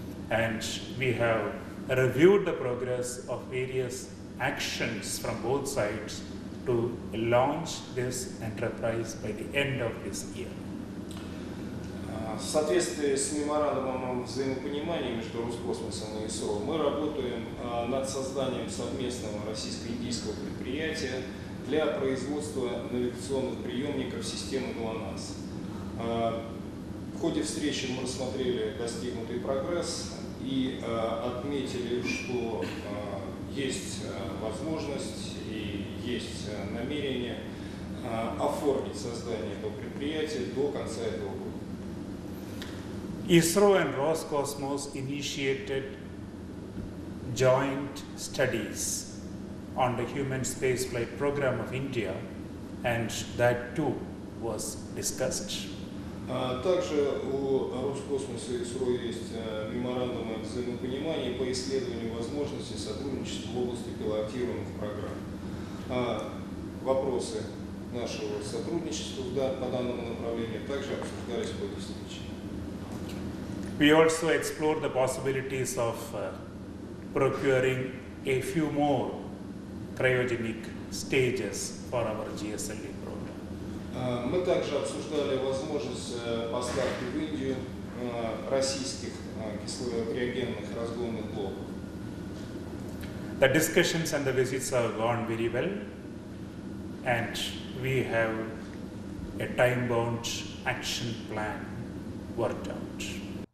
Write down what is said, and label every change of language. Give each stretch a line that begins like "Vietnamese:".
English: And we have reviewed the progress of various actions from both sides to launch this enterprise by the end of this year.
Russian: В соответствии с меморандумом взаимопонимания между Роскосмосом и ИСО, мы работаем над созданием совместного российско-индийского предприятия для производства навигационных приемников системы ГЛОНАСС. В ходе встречи мы рассмотрели достигнутый прогресс и отметили, что есть возможность и есть намерение оформить создание этого предприятия до конца этого года.
English: ISRO and Roscosmos initiated joint studies on the human spaceflight program of India, and that too was discussed.
Russian: Также у Роскосмоса и ISRO есть меморандумы взаимопонимания по исследованию возможностей сотрудничества в области пилотируемых программ. Вопросы нашего сотрудничества по данному направлению также обсуждались в ходе встречи.
English: We also explored the possibilities of procuring a few more cryogenic stages for our GSLV program.
Russian: Мы также обсуждали возможность поставки в Индию российских кислород-криогенных разгонных блоков.
English: The discussions and the visits have gone very well, and we have a time-bound action plan worked out.